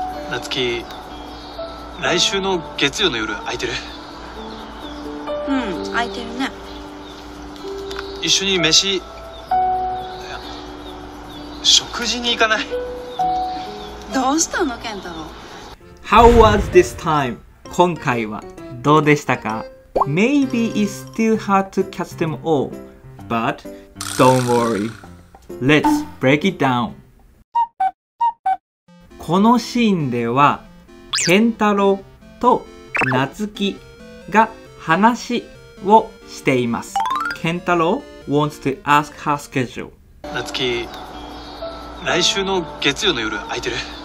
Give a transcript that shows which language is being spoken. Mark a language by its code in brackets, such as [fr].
[ja] 夏希、来週の月曜の夜空いてる？うん、空いてるね。一緒に飯、いや、食事に行かない？どうしたの、ケンタロウ。 [en] How was this time? [ja] 今回はどうでしたか？ [en] Maybe it's still hard to catch them all, but don't worry. Let's break it down. [ja] このシーンではケンタロウとナツキが話をしています。 [en] ケンタロウ wants to ask her schedule. [ja] ナツキ、来週の月曜の夜空いてる？